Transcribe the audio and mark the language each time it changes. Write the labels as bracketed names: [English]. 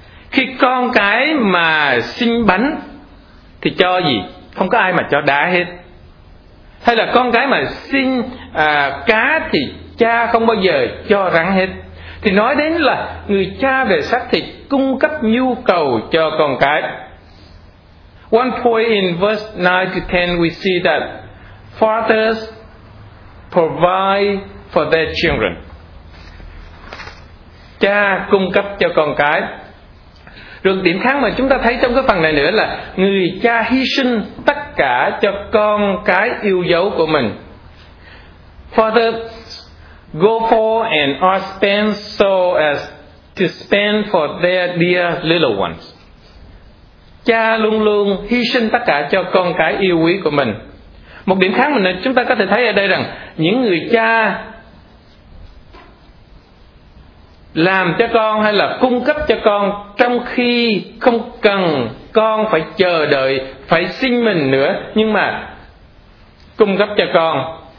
[Vietnamese] Khi con cái mà xin bánh thì cho gì? Không có ai mà cho đá hết. Hay là con cái mà xin cá thì cha không bao giờ cho rắn hết. Thì nói đến là người cha về xác thịt cung cấp nhu cầu cho con cái. [English] One point in verse 9 to 10 we see that fathers provide for their children. [Vietnamese] Cha cung cấp cho con cái. Rồi điểm khác mà chúng ta thấy trong cái phần này nữa là người cha hy sinh tất cả cho con cái yêu dấu của mình. [English] Fathers go for and are spent so as to spend for their dear little ones. [Vietnamese] Cha luôn luôn hy sinh tất cả cho con cái yêu quý của mình. Một điểm khác mình chúng ta có thể thấy ở đây rằng những người cha làm cho con hay là cung cấp cho con trong khi không cần con phải chờ đợi, phải xin mình nữa, nhưng mà cung cấp cho con.